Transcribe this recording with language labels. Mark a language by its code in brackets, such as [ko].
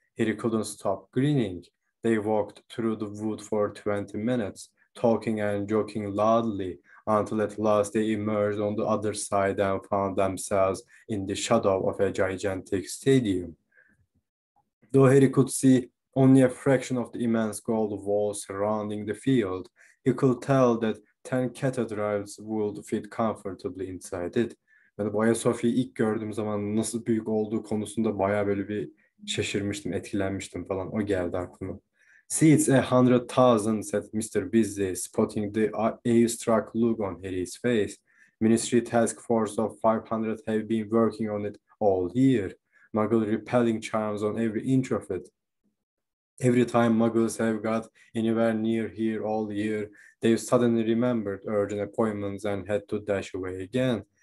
[en] Harry couldn't stop grinning. They walked through the wood for 20 minutes, talking and joking loudly, until at last they emerged on the other side and found themselves in the shadow of a gigantic stadium. Though Harry could see only a fraction of the immense gold wall surrounding the field, he could tell that 10 catedrals would fit comfortably inside it. [tr] Ben Ayasofya'yı ilk gördüğüm zaman nasıl büyük olduğu konusunda bayağı böyle bir şaşırmıştım, etkilenmiştim falan. O geldi aklıma. [en] "See, it's 100,000," said Mr. Weasley, spotting the awestruck look on Harry's face. "Ministry task force of 500 have been working on it all year. Muggle repelling charms on every inch of it. Every time Muggles have got anywhere near here all year, they've suddenly remembered urgent appointments and had to dash away again.